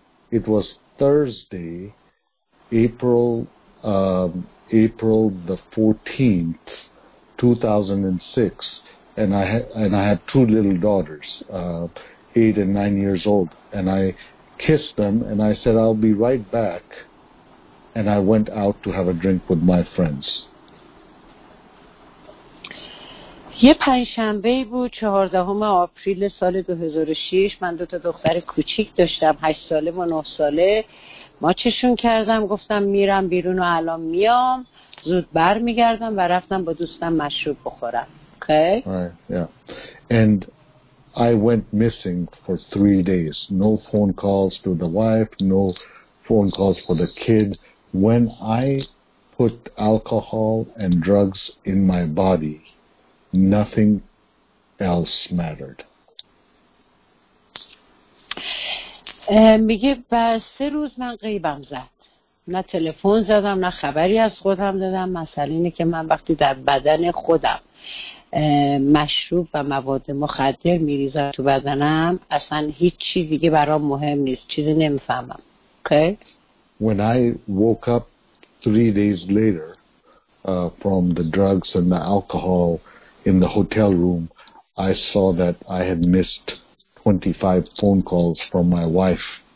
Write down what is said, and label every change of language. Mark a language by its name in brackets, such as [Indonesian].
[English] It was Thursday, April the 14th, 2006, and I had 2 little daughters, 8 and 9 years old, and I kissed them and I said, I'll be right back, and I went out to have a drink with my friends. [Persian] یه پنجشنبه بود 14 آپریل سال 2006. من 2 دختر کوچیک داشتم، 8 ساله و 9 ساله. ما چشون کردم، گفتم میرم بیرون و الان میام، زود بر میگردم، و رفتم با دوستم مشروب بخورم. [English] Okay. Right. Yeah. And I went missing for 3 days. No phone calls to the wife. No phone calls for the kid. When I put alcohol and drugs in my body, nothing else mattered. [Persian] میگه بعد 3 روز من غیبم زد، نه تلفن زدم نه خبری از خودم دادم. مثلا اینه که من وقتی در بدن خودم مشروب و مواد مخدر میریزم تو بدنم، اصلا هیچ چیزی دیگه برام مهم نیست، چیزی نمیفهمم. [English] Okay. When I woke up 3 days later from the drugs and the alcohol in the hotel room, I saw that I had missed 25 phone calls from my wife.